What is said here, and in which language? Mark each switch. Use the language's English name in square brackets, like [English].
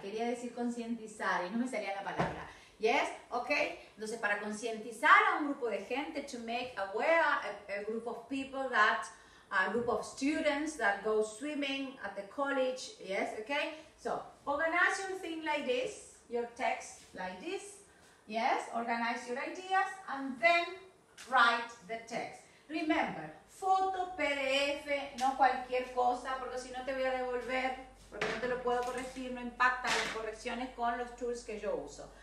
[Spanish] Quería decir concientizar y no me salía la palabra. [English] Yes, okay. [Spanish] Entonces, para concientizar a un grupo de gente, [English] to make aware a group of people that, a group of students that go swimming at the college, yes, okay. So, organize your thing like this, your text like this, yes, organize your ideas and then write the text. [Spanish] Remember, foto, PDF, no cualquier cosa, porque si no te voy a devolver, porque no te lo puedo corregir, no impacta las correcciones con los tools que yo uso.